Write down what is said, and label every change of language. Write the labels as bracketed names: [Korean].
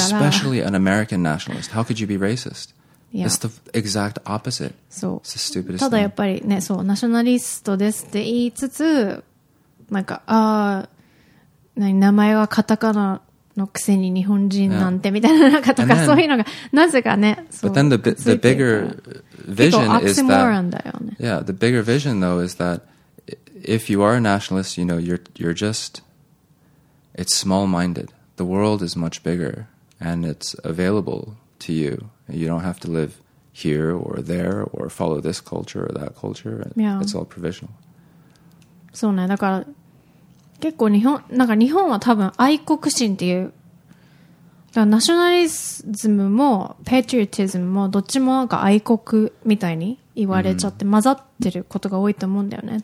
[English] Especially an American nationalist. How could you be racist? It's the exact opposite. [Japanese] そう、 [English] It's the stupidest thing. [Japanese] ただやっぱりね、そうナショナリストですって言いつつなんかあ、何名前はカタカナのくせに日本人なんてみたいな中とか、そういうのがなぜかね。 [English] But then the bigger vision is that. Yeah, the bigger vision though is that if you are a nationalist, you know, you're just, it's small-minded. The world is much bigger and it's available to you. You don't have to live here or there or follow this culture or that culture. It's all provisional. [Japanese] そうね、だから結構日本、なんか日本は多分愛国心っていう、だからナショナリズムもパトリオティズムもどっちもなんか愛国みたいに言われちゃって混ざってることが多いと思うんだよね。